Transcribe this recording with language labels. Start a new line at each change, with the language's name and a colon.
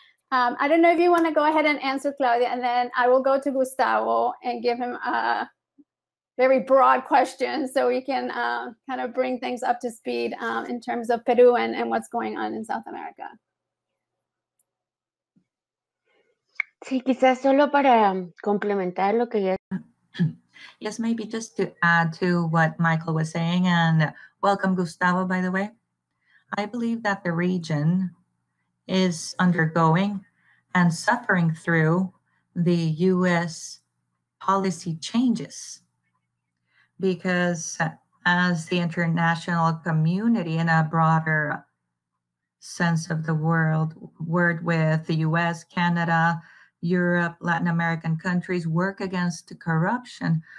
English: I don't know if you want to go ahead and answer Claudia, and then I will go to Gustavo and give him a very broad question so we can kind of bring things up to speed in terms of Peru and what's going on in South America.
Spanish: Sí, quizás solo para complementar lo que ya.
English: Yes, maybe just to add to what Michael was saying, and welcome, Gustavo, by the way. I believe that the region is undergoing and suffering through the U.S. policy changes because as the international community in a broader sense of the word with the U.S., Canada, Europe, Latin American countries work against corruption.